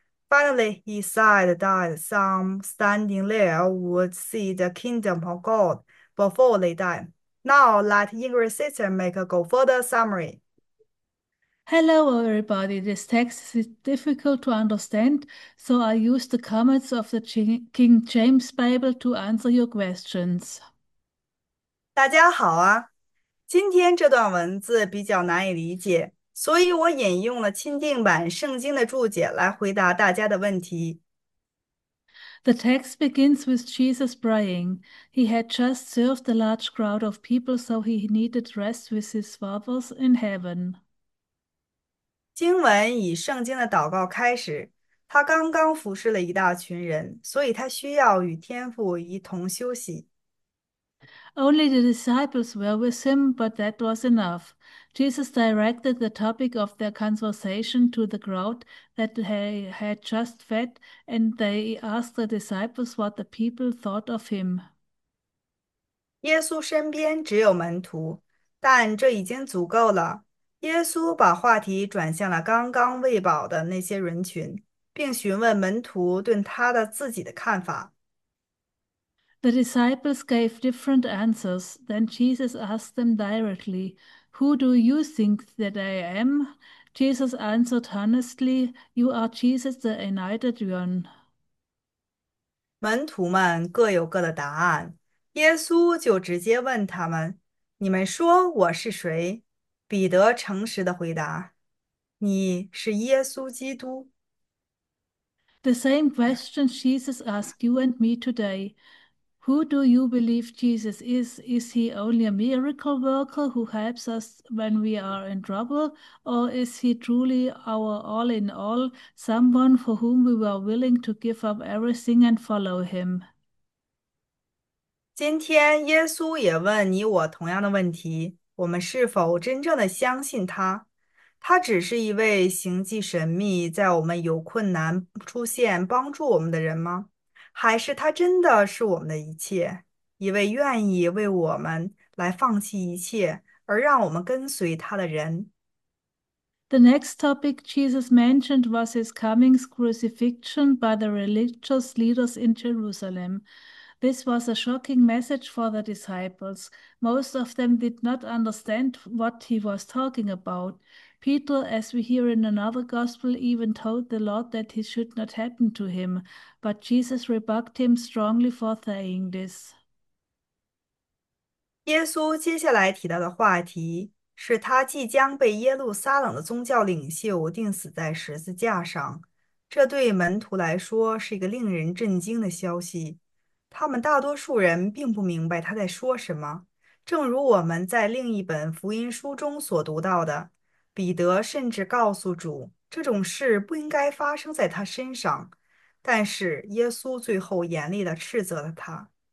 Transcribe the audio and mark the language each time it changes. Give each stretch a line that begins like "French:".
English: Finally, he said that some standing there would see the kingdom of God before they die. Now, let Ingrid's sister make a go further summary. Hello, everybody. This text is difficult to understand, so I use the comments of the King James Bible to answer your questions.
Chinese: 大家好啊，今天这段文字比较难以理解，所以我引用了钦定版圣经的注解来回答大家的问题。
English: The text begins with Jesus praying. He had just served a large crowd of people, so he needed rest with his fathers in heaven.
Chinese: 经文以圣经的祷告开始，他刚刚服侍了一大群人，所以他需要与天父一同休息。
English: Only the disciples were with him, but that was enough. Jesus directed the topic of their conversation to the crowd that they had just fed, and they asked the disciples what the people thought of him.
Chinese: 耶稣身边只有门徒，但这已经足够了。耶稣把话题转向了刚刚喂饱的那些人群，并询问门徒对他的自己的看法。
English: The disciples gave different answers. Then Jesus asked them directly, "Who do you think that I am?" Jesus answered honestly, "You are Jesus, the anointed one."
Chinese: 门徒们各有各的答案。耶稣就直接问他们：“你们说我是谁？” 彼得诚实的回答：“你是耶稣基督。
English: The same question Jesus asked you and me today. Who do you believe Jesus is? Is he only a miracle worker who helps us when we are in trouble? Or is he truly our all in all, someone for whom we were willing to give up everything and follow him?
Chinese: ”今天，耶稣也问你我同样的问题：我们是否真正的相信他？他只是一位行迹神秘，在我们有困难出现帮助我们的人吗？还是他真的是我们的一切，一位愿意为我们来放弃一切而让我们跟随他的人？
English: The next topic Jesus mentioned was his coming crucifixion by the religious leaders in Jerusalem. This was a shocking message for the disciples. Most of them did not understand what he was talking about. Peter, as we hear in another gospel, even told the Lord that this should not happen to him, but Jesus rebuked him strongly for saying this.
Chinese: 耶稣接下来提到的话题是他即将被耶路撒冷的宗教领袖钉死在十字架上，这对门徒来说是一个令人震惊的消息。他们大多数人并不明白他在说什么。正如我们在另一本福音书中所读到的，彼得甚至告诉主，这种事不应该发生在他身上，但是耶稣最后严厉地斥责了他。